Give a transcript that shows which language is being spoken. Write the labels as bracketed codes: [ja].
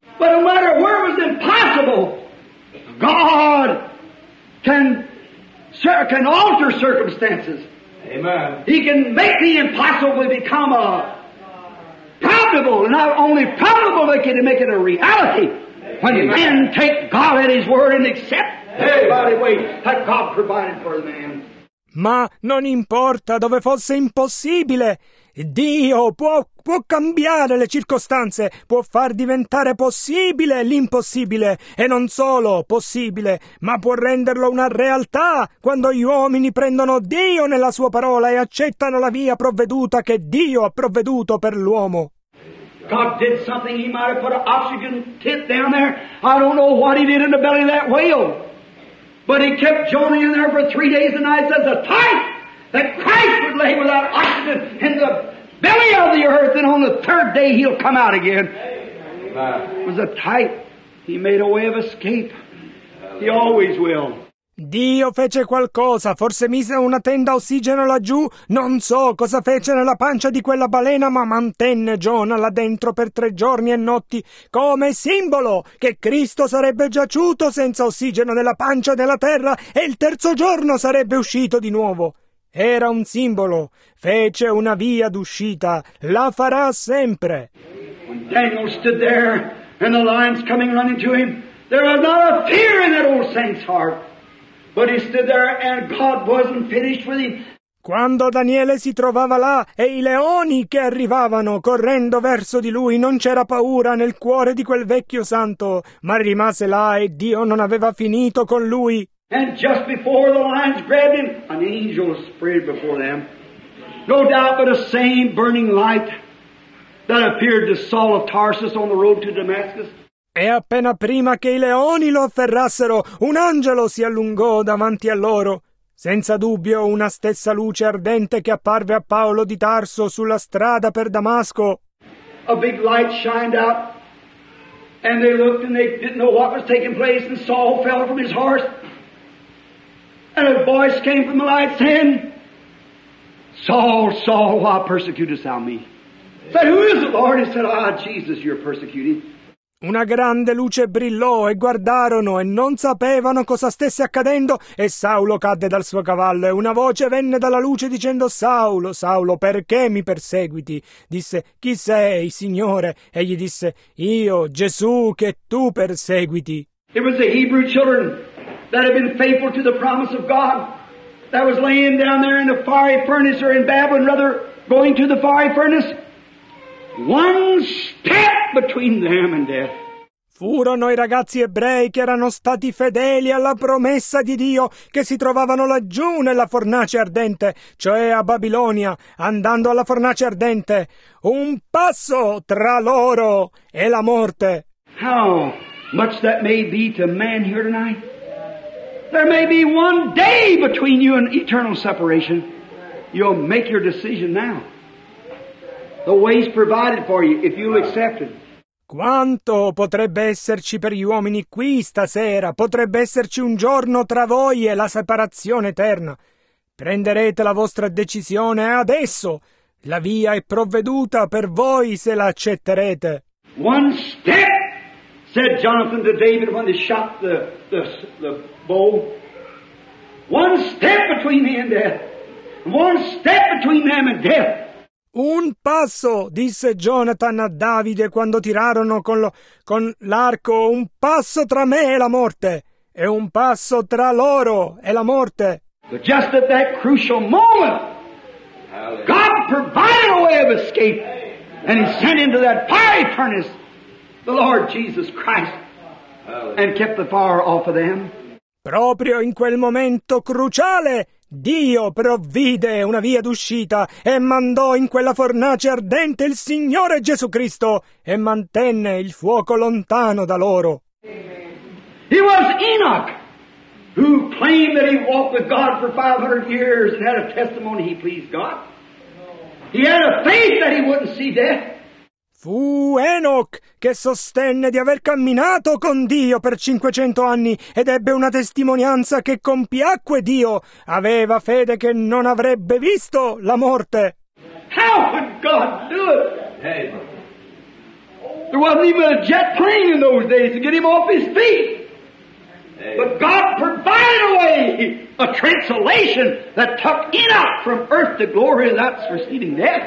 [en] But no matter where it was impossible, God can alter circumstances. Amen. He can make the impossible become a probable, not only probable, but can make it a reality. When Amen. Men take God at His word and accept everybody wait that God provided for the man. [it] Ma non importa dove fosse impossibile, Dio può cambiare le circostanze, può far diventare possibile l'impossibile, e non solo possibile, ma può renderlo una realtà quando gli uomini prendono Dio nella sua parola e accettano la via provveduta che Dio ha provveduto per l'uomo. [en] God did something, he might have put an oxygen tip down there. I don't know what he did in the belly of that whale. But he kept Jonah in there for 3 days and nights as a type that Christ would lay without oxygen in the belly of the earth, and on the third day he'll come out again. Amen. It was a type. He made a way of escape. He always will. [it] Dio fece qualcosa, forse mise una tenda ossigeno laggiù, non so cosa fece nella pancia di quella balena, ma mantenne Giona là dentro per 3 giorni e notti, come simbolo che Cristo sarebbe giaciuto senza ossigeno nella pancia della terra e il terzo giorno sarebbe uscito di nuovo. Era un simbolo, fece una via d'uscita, la farà sempre. [en] Daniel stood there and the lions coming running to him, there was not a fear in that old saint's heart. But he stood there and God wasn't finished with him. [it] Quando Daniele si trovava là e i leoni che arrivavano correndo verso di lui, non c'era paura nel cuore di quel vecchio santo, ma rimase là e Dio non aveva finito con lui. [en] And just before the lions grabbed him, an angel spread before them. No doubt but the same burning light that appeared to Saul of Tarsus on the road to Damascus. [it] E appena prima che i leoni lo afferrassero, un angelo si allungò davanti a loro. Senza dubbio una stessa luce ardente che apparve a Paolo di Tarso sulla strada per Damasco. [en] a big light shined out, and they looked and they didn't know what was taking place, and Saul fell from his horse, and a voice came from the light saying, "Saul, Saul, why persecutest thou me?" Said, "Who is it, Lord?" He said, "Ah, Jesus, you're persecuting." [it] Una grande luce brillò e guardarono e non sapevano cosa stesse accadendo, e Saulo cadde dal suo cavallo, e una voce venne dalla luce dicendo: "Saulo, Saulo, perché mi perseguiti?" Disse: "Chi sei, Signore?" E gli disse: "Io, Gesù, che tu perseguiti." [en] It was the Hebrew children that had been faithful to the promise of God that was laying down there in the fiery furnace, or in Babylon rather, going to the fiery furnace. One step between them and death. [it] Furono i ragazzi ebrei che erano stati fedeli alla promessa di Dio, che si trovavano laggiù nella fornace ardente, cioè a Babilonia, andando alla fornace ardente. Un passo tra loro e la morte. [en] How much that may be to man here tonight. There may be one day between you and eternal separation. You'll make your decision now. The way's provided for you if you'll accept it. [it] Quanto potrebbe esserci per gli uomini qui stasera? Potrebbe esserci un giorno tra voi e la separazione eterna. Prenderete la vostra decisione adesso. La via è provveduta per voi se la accetterete. [en] One step, said Jonathan to David when they shot the bow. One step between me and death. One step between them and death. [it] Un passo, disse Jonathan a Davide quando tirarono con l'arco, un passo tra me e la morte, e un passo tra loro e la morte. [en] So just at that crucial moment, God provided a way of escape, and he sent into that fiery furnace the Lord Jesus Christ, and kept the fire off of them. [it] Proprio in quel momento cruciale, Dio provvide una via d'uscita e mandò in quella fornace ardente il Signore Gesù Cristo e mantenne il fuoco lontano da loro. [en] He was Enoch who claimed that he walked with God for 500 years and had a testimony he pleased God. He had a faith that he wouldn't see death. [it] Fu Enoch che sostenne di aver camminato con Dio per 500 anni ed ebbe una testimonianza che compiacque Dio. Aveva fede che non avrebbe visto la morte. [en] How could God do it? Hey. There wasn't even a jet plane in those days to get him off his feet. Hey. But God provided a way, a translation that took Enoch from earth to glory and that's receiving death.